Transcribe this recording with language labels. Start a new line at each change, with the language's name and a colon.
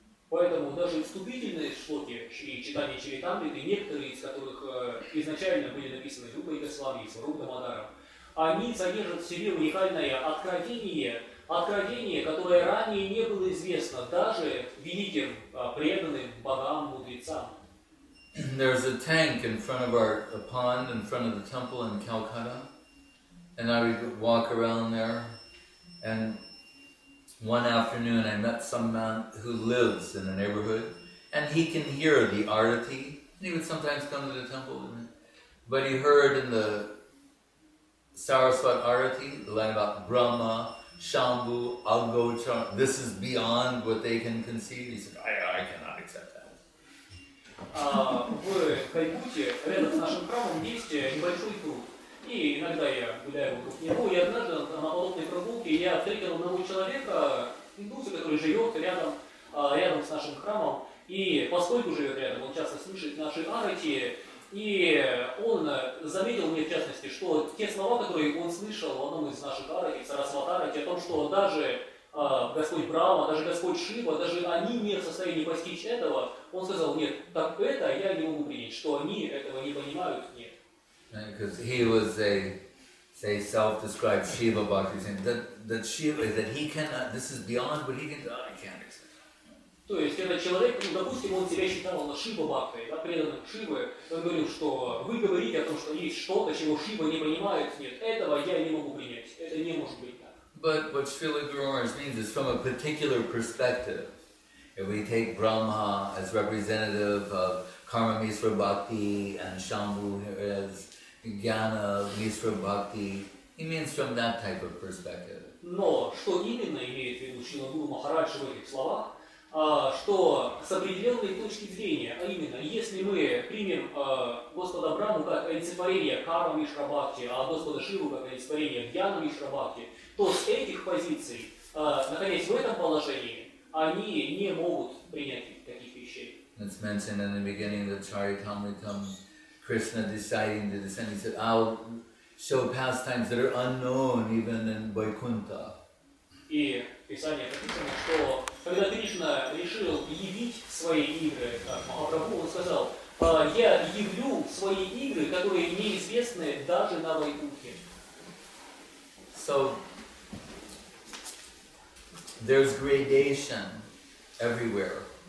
Russian: Поэтому даже вступительные шлоки Шри Чайтанья Чаритамриты, некоторые из которых изначально были написаны Рупой Госвами, Сваруп Дамодаром, они содержат в себе уникальное откровение, откровение, которое ранее не было известно даже великим преданным богам, мудрецам.
English: There's a tank in front of our a pond in front of the temple in Calcutta, and I would walk around there. And one afternoon, I met some man who lives in the neighborhood, and he can hear the arati. And he would sometimes come to the temple, but he heard in the Saraswat arati the line about Brahma, Shambhu, Agocha. This is beyond what they can conceive. He said, I cannot accept that.
Russian: В Кайпуте, рядом с нашим храмом, есть небольшой круг. И иногда я гуляю вокруг него, и однажды на подобной прогулке я встретил одного человека, индуса, который живет рядом, рядом с нашим храмом, и поскольку живет рядом, он часто слышит наши арати, и он заметил мне в частности, что те слова, которые он слышал в одном из наших арати, Сарасват арати, о том, что даже Господь Брама, даже Господь Шива, даже они не в состоянии постичь этого, он сказал, нет, так это я не могу принять, что они этого не понимают, нет.
English: Because he was a, say, self-described Shiva Bhakti, saying that Shiva, that he cannot, this is beyond what he can do, I can't accept.
Russian: То есть этот человек, ну, допустим, он себя считал на Шива Бхакти, да, преданным Шивы, он говорил, что вы говорите о том, что есть что-то, чего Шива не понимает, нет, этого я не могу принять, это не может быть.
English: But what Srila Guru Maharaj means is from a particular perspective. If we take Brahma as representative of Karma Misra Bhakti and Shambhu as Jnana Misra Bhakti, he means from that type of perspective.
Russian: Но что именно имеет в виду Шрила Гуру Махарадж в этих словах, что с определенной точки зрения, а именно, если мы примем Господа Брахму как олицетворение Карма Мишра Бхакти, а Господа Шиву как олицетворение Джнана Мишра Бхакти, то с этих позиций, находясь в этом положении, они не могут принять таких вещей.
English: It's mentioned in the beginning of the Charitamritam, Krishna deciding to descend. He said, I'll show pastimes that are unknown even in Vaikuntha.
Russian: И в Писании написано, что когда Кришна решил явить свои игры, Махапрабху, он сказал, я явлю свои игры, которые неизвестны даже на Вайкунтхе.
English: So, there's gradation everywhere.